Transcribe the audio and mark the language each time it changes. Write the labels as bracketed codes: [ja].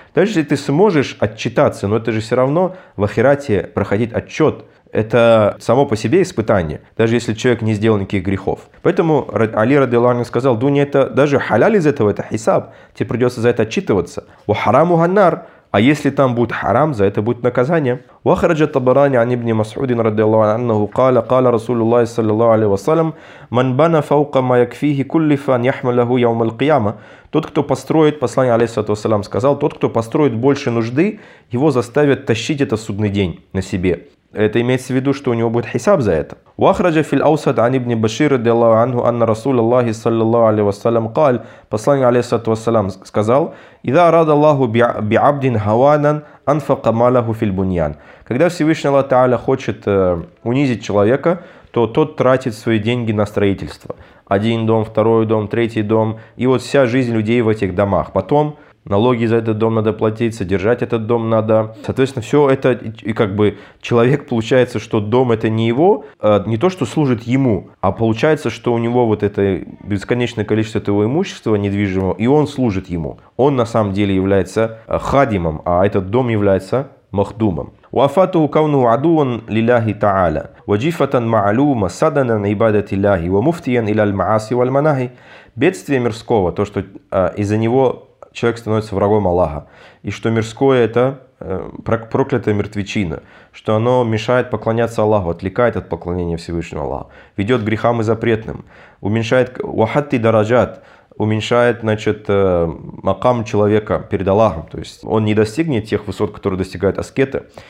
[ru] Даже если ты сможешь отчитаться, но это же все равно в ахирате проходить отчет. Это само по себе испытание, даже если человек не сделал никаких грехов. Поэтому Али радиаллаху анху сказал, дунья это даже халяль из этого, это хисаб. Тебе придется за это отчитываться. У хараму ганнар. А если там будет харам, за это будет наказание. [ar] وخرج الطبراني عن ابن مسعود رضي الله عنه قال قال رسول الله صلى الله عليه وسلم من بنى فوق ما يكفيه كلف أن يحمله يوم القيامة. [ru] Тот, кто построит, послание алейхиссалату вассалям сказал, тот, кто построит больше нужды, его заставят тащить это в судный день на себе. Это имеется в виду, что у него будет хисаб за это. [ar] وخرج في الأوسط عن ابن بشير رضي الله عنه أن رسول الله صلى الله عليه وسلم قال [ru] послание алейхиссалату вассалям сказал [ar] إذا أراد الله بعبد هوانا أنفق ماله في البنيان. [ru] Когда Всевышний Аллах Та'аля хочет унизить человека, то тот тратит свои деньги на строительство. Один дом, второй дом, третий дом. И вот вся жизнь людей в этих домах. Потом налоги за этот дом надо платить, содержать этот дом надо. Соответственно, все это, и как бы человек получается, что дом это не его, не то, что служит ему, а получается, что у него вот это бесконечное количество этого имущества недвижимого, и он служит ему. Он на самом деле является хадимом, а этот дом является махдумом. [ar] وافاته كونه عدوا لله تعالى وجفة معلومة صدنا عبادة الله ومفتيا إلى المعاصي والمناهي. [ru] Бедствие мирского, то что из-за него человек становится врагом Аллаха, и что мирское это проклятая мертвечина, что оно мешает поклоняться Аллаху, отвлекает от поклонения Всевышнего Аллаха, ведет к грехам и запретным, уменьшает [ar] وحتى درجات, [ru] уменьшает, значит, макам человека перед Аллахом, то есть он не достигнет тех высот, которые достигают аскеты.